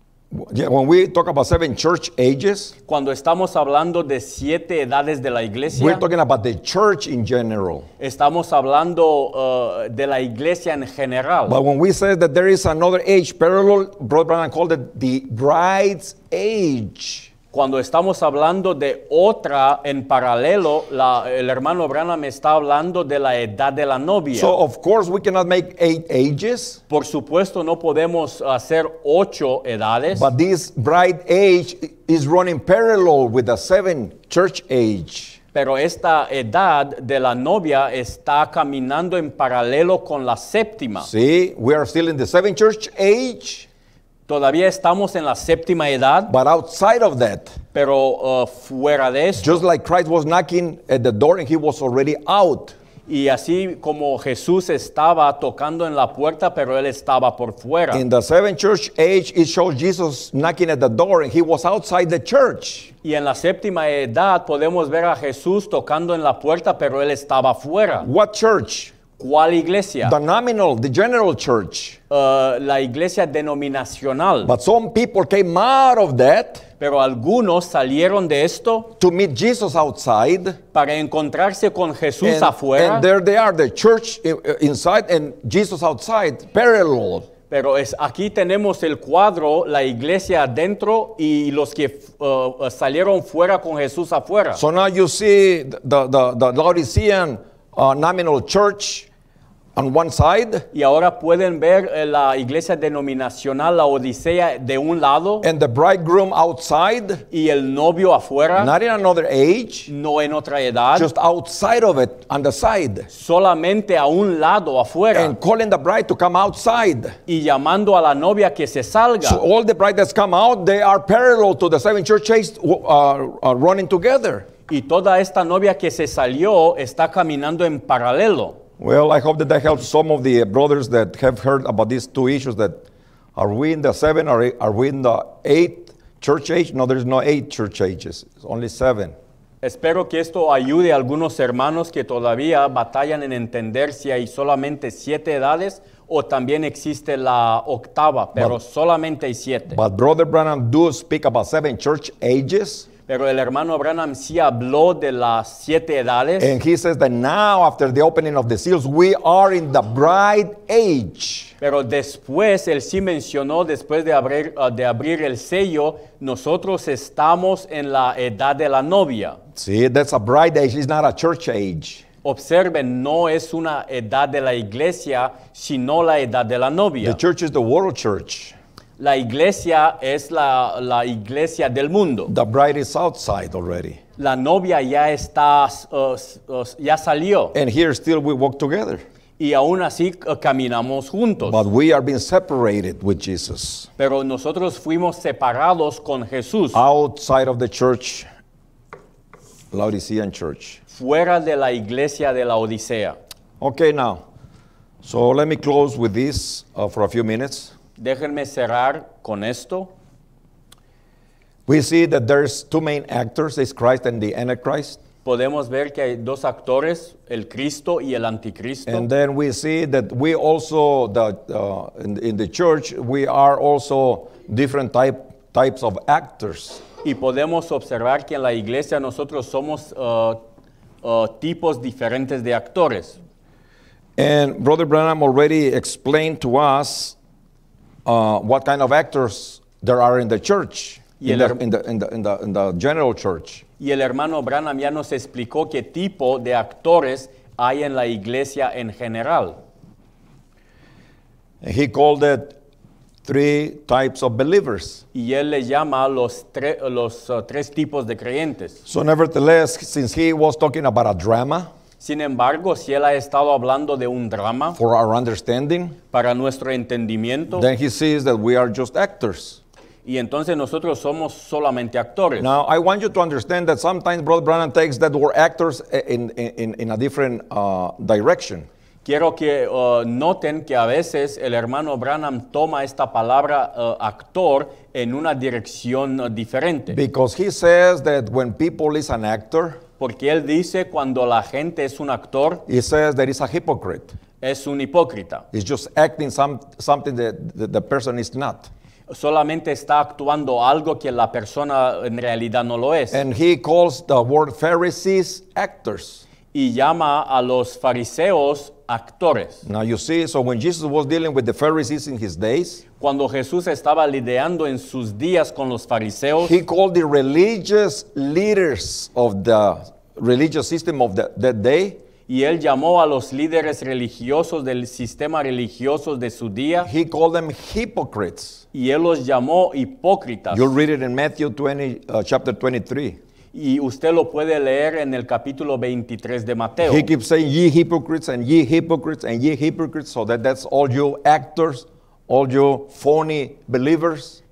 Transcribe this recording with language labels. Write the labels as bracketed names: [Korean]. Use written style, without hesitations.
[English] When we talk about seven church ages, [Spanish] cuando estamos hablando de siete edades de la iglesia, [English] we're talking about the church in general. [Spanish] Estamos hablando de la iglesia en general. [English] But when we say that there is another age parallel, Brother Branham called it the bride's age. [Spanish] Cuando estamos hablando de otra en paralelo, el hermano Branham está hablando de la edad de la novia. [English] So of course we cannot make eight ages. [Spanish] Por supuesto no podemos hacer ocho edades. [English] But this bride age is running parallel with the seven church age. [Spanish] Pero esta edad de la novia está caminando en paralelo con la séptima. [English] See, we are still in the seven church age. [Spanish] Todavía estamos en la séptima edad. [English] But outside of that. [Spanish] Pero fuera de esto. [English] Just like Christ was knocking at the door and he was already out. [Spanish] Y así como Jesús estaba tocando en la puerta, pero él estaba por fuera. [English] In the seven church age, it shows Jesus knocking at the door and he was outside the church. [Spanish] Y en la séptima edad podemos ver a Jesús tocando en la puerta, pero él estaba fuera. [English] What church? [Spanish] ¿Cuál iglesia? [English] The nominal, the general church. [Spanish] La iglesia denominacional. [English] But some people came out of that. [Spanish] Pero algunos salieron de esto. [English] To meet Jesus outside. [Spanish] Para encontrarse con Jesús afuera. [English] And there they are, the church inside and Jesus outside, parallel. [Spanish] Pero es aquí tenemos el cuadro, la iglesia adentro y los que salieron fuera con Jesús afuera. [English] So now you see the Laodicean nominal church on one side. [Spanish] Y ahora pueden ver la iglesia denominacional, la Odisea, de un lado. [English] And the bridegroom outside. [Spanish] Y el novio afuera. [English] Not in another age. [Spanish] No en otra edad. [English] Just outside of it, on the side. [Spanish] Solamente a un lado afuera. [English] And calling the bride to come outside. [Spanish] Y llamando a la novia que se salga. [English] So all the bride that's come out, they are parallel to the seven churches running together. [Spanish] Y toda esta novia que se salió está caminando en paralelo. [English] Well, I hope that that helps some of the brothers that have heard about these two issues, that are we in the seven or are we in the eight church age? No, there's no eight church ages. It's only seven. [Spanish] Espero que esto ayude a algunos hermanos que todavía batallan en entender si hay solamente siete edades o también existe la octava, pero solamente hay siete. [English] But Brother Branham do speak about seven church ages. [Spanish] Pero el hermano Branham sí habló de las siete edades. [English] And he says that now, after the opening of the seals, we are in the bride age. [Spanish] Pero después, él sí mencionó, después de abrir el sello, nosotros estamos en la edad de la novia. [English] See, that's a bride age, it's not a church age. [Spanish] Observen, no es una edad de la iglesia, sino la edad de la novia. [English] The church is the world church. [Spanish] La iglesia es la iglesia del mundo. [English] The bride is outside already. [Spanish] La novia ya está, ya salió. [English] And here still we walk together. [Spanish] Y aún así caminamos juntos. [English] But we are being separated with Jesus. [Spanish] Pero nosotros fuimos separados con Jesús. [English] Outside of the church, Laodicean church. [Spanish] Fuera de la iglesia de la Odisea. [English] Okay, now. So let me close with this for a few minutes. [Spanish] Déjenme cerrar con esto. [English] We see that there's two main actors, is Christ and the Antichrist. [Spanish] Podemos ver que hay dos actores, el Cristo y el Anticristo. [English] And then we see that we also, in the church, we are also different types of actors. [Spanish] Y podemos observar que en la iglesia nosotros somos tipos diferentes de actores. [English] And Brother Branham already explained to us what kind of actors there are in the church, in the general church. [Spanish] Y el hermano Branham ya nos explicó qué tipo de actores hay en la iglesia en general. [English] He called it three types of believers. [Spanish] Y él le llama los tres tipos de creyentes. [English] So nevertheless, since he was talking about a drama, [Spanish] sin embargo, si él ha estado hablando de un drama, [English] for our understanding, [Spanish] para nuestro entendimiento, [English] then he sees that we are just actors. [Spanish] Y entonces nosotros somos solamente actores. [English] Now, I want you to understand that sometimes Brother Branham takes that word actors in a different direction. [Spanish] Quiero que noten que a veces el hermano Branham toma esta palabra actor en una dirección diferente. [English] Because he says that when people is an actor, [Spanish] porque él dice cuando la gente es un actor, [English] he says that it's a hypocrite. [Spanish] Es un hipócrita. [English] It's just acting something that the person is not. [Spanish] Solamente está actuando algo que la persona en realidad no lo es. [English] And he calls the word Pharisees actors. [Spanish] Y llama a los fariseos actores. [English] Now you see, so when Jesus was dealing with the Pharisees in his days, [Spanish] cuando Jesús estaba lidiando en sus días con los fariseos, [English] he called the religious leaders of the religious system of that day, [Spanish] y él llamó a los líderes religiosos del sistema religioso de su día, [English] he called them hypocrites, [Spanish] y él los llamó hipócritas. [English] You'll read it in Matthew 20, chapter 23. [Spanish] Y usted lo puede leer en el capítulo 23 de Mateo. [English] He keeps saying, ye hypocrites, and ye hypocrites, and ye hypocrites, so that's all you actors, all you phony believers.